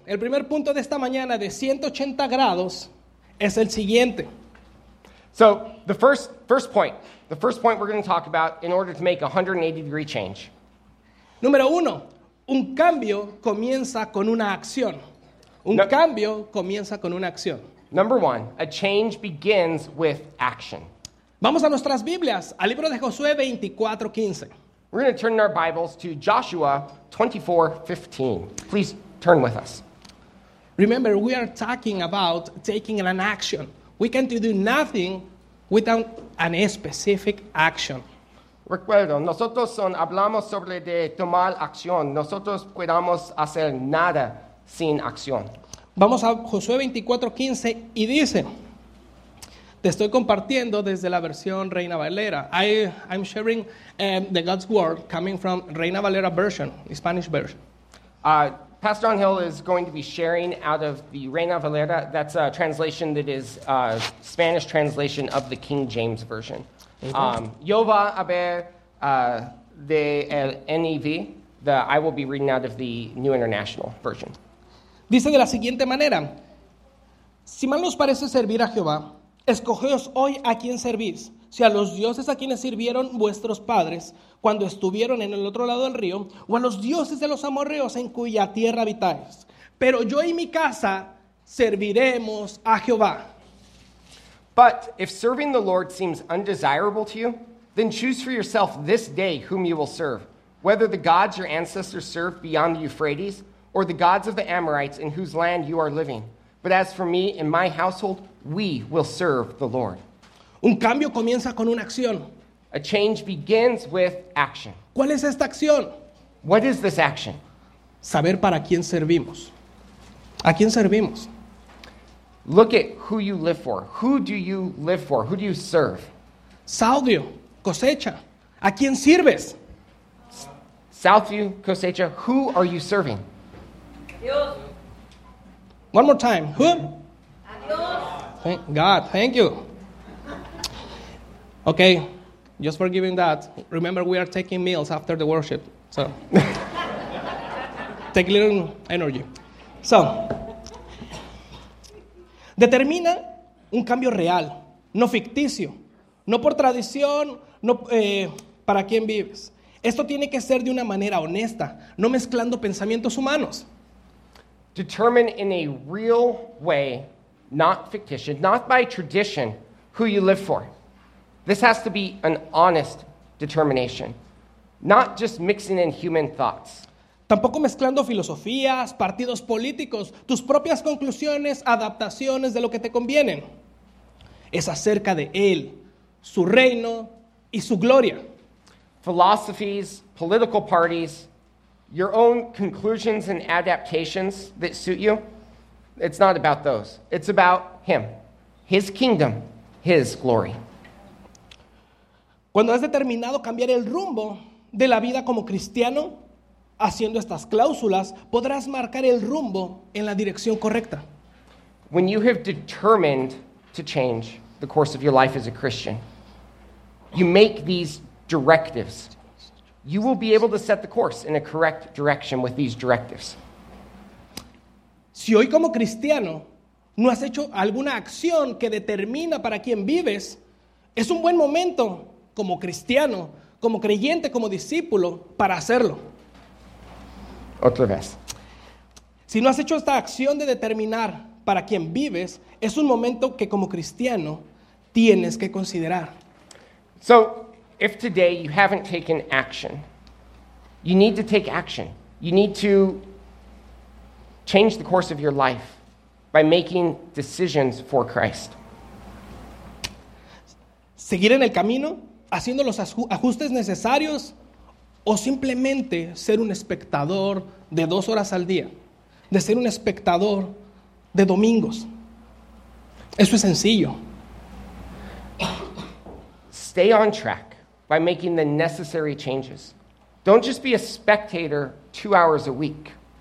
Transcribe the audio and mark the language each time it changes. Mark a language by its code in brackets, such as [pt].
[es] El primer punto de esta mañana de 180 grados es el siguiente. [en] So, the first point. The first point we're going to talk about in order to make a 180 degree change. [es] Número uno. Un cambio comienza con una acción. Cambio comienza con una acción. [en] Number one, a change begins with action. [es] Vamos a nuestras Biblias, al libro de Josué 24:15. [en] We're going to turn our Bibles to Joshua 24:15. Please turn with us. Remember, we are talking about taking an action. We can't do nothing without an specific action. [es] Recuerdo, nosotros hablamos sobre de tomar acción. Nosotros podemos hacer nada sin acción. Vamos a Josué 24:15 y dice, Estoy compartiendo desde la versión Reina Valera. [en] I'm sharing the God's word coming from Reina Valera version, Spanish version. Pastor Angel is going to be sharing out of the Reina Valera. That's a translation that is a Spanish translation of the King James version. [es] Yo va a ver de el NIV. [en] I will be reading out of the New International version. [es] Dice de la siguiente manera: si mal nos parece servir a Jehová, escogeos hoy a quién servís, si a los dioses a quienes sirvieron vuestros padres cuando estuvieron en el otro lado del río, o a los dioses de los amorreos en cuya tierra habitáis. Pero yo y mi casa serviremos a Jehová. [en] But if serving the Lord seems undesirable to you, then choose for yourself this day whom you will serve, whether the gods your ancestors served beyond the Euphrates or the gods of the Amorites in whose land you are living. But as for me and my household, we will serve the Lord. [es] Un cambio comienza con una acción. [en] A change begins with action. [es] ¿Cuál es esta acción? [en] What is this action? [es] Saber para quién servimos. ¿A quién servimos? [en] Look at who you live for. Who do you live for? Who do you serve? [es] Southview, cosecha. ¿A quién sirves? [en] Southview, cosecha. Who are you serving? [es] Dios. [en] One more time. Who? God, thank you. Okay, just for giving that. Remember, we are taking meals after the worship. So, take a little energy. [es] So, determina un cambio real, no ficticio, no por tradición, no para quién vives. Esto tiene que ser de una manera honesta, no mezclando pensamientos humanos. [en] Determine in a real way, not fictitious, not by tradition, who you live for. This has to be an honest determination, not just mixing in human thoughts. [es] Tampoco mezclando filosofías, partidos políticos, tus propias conclusiones, adaptaciones de lo que te convienen. Es acerca de Él, su reino y su gloria. [en] Philosophies, political parties, your own conclusions and adaptations that suit you. It's not about those. It's about Him, His kingdom, His glory. [es] Cuando has determinado cambiar el rumbo de la vida como cristiano, haciendo estas cláusulas, podrás marcar el rumbo en la dirección correcta. [en] When you have determined to change the course of your life as a Christian, you make these directives. You will be able to set the course in a correct direction with these directives. [es] Si hoy como cristiano no has hecho alguna acción que determina para quién vives, es un buen momento como cristiano, como creyente, como discípulo, para hacerlo. Otra vez. Si no has hecho esta acción de determinar para quién vives, es un momento que como cristiano tienes que considerar. [en] So, if today you haven't taken action, you need to take action. You need to change the course of your life by making decisions for Christ. [es] Seguir en el camino, haciendo los ajustes necesarios, o simplemente ser un espectador de 2 horas al día, de ser un espectador de domingos. Eso es sencillo. [en] Stay on track by making the necessary changes. Don't just be a spectator 2 hours a week.